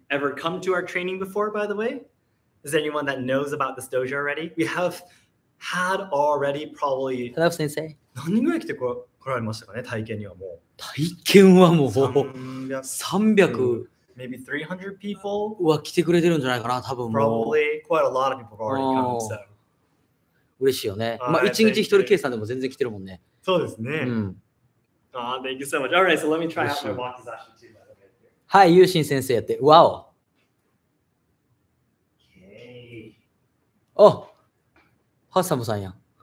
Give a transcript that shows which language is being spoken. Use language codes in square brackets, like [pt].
[en] ever come to our training before, by the way? Is anyone that knows about this dojo already? We have had already probably... Hello, sensei. [ja] 何人ぐらい来て来られましたかね、体験にはもう。体験はもう [en] 300... Maybe 300 people? [ja] うわ、来てくれてるんじゃないかな、多分もう。 [en] Probably quite a lot of people have already come, so... [ja] 嬉しいよね。まあ、1日1人計算でも全然来てるもんね。そうですね。うん。 [en] Ah, thank you so much. Alright, so let me try out my walk session too. [ja] はい、ユーシン先生やって。わお。お、ハッサムさんやん。